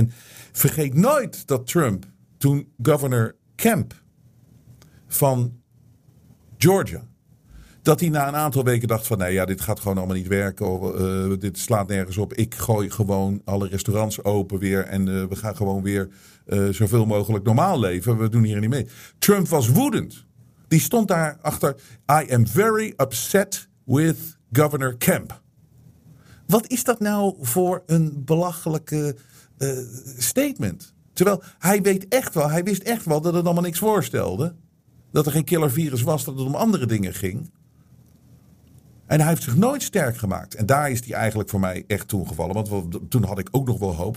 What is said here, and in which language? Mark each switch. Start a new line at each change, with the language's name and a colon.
Dutch: En vergeet nooit dat Trump, toen governor Kemp van Georgia, dat hij na een aantal weken dacht van, nou ja, dit gaat gewoon allemaal niet werken. Dit slaat nergens op. Ik gooi gewoon alle restaurants open weer. En we gaan gewoon weer zoveel mogelijk normaal leven. We doen hier niet mee. Trump was woedend. Die stond daar achter.
English: I am very upset with governor Kemp.
Dutch: Wat is dat nou voor een belachelijke statement? Terwijl hij weet echt wel, hij wist echt wel dat het allemaal niks voorstelde. Dat er geen killervirus was, dat het om andere dingen ging. En hij heeft zich nooit sterk gemaakt. En daar is hij eigenlijk voor mij echt toen gevallen. Want toen had ik ook nog wel hoop.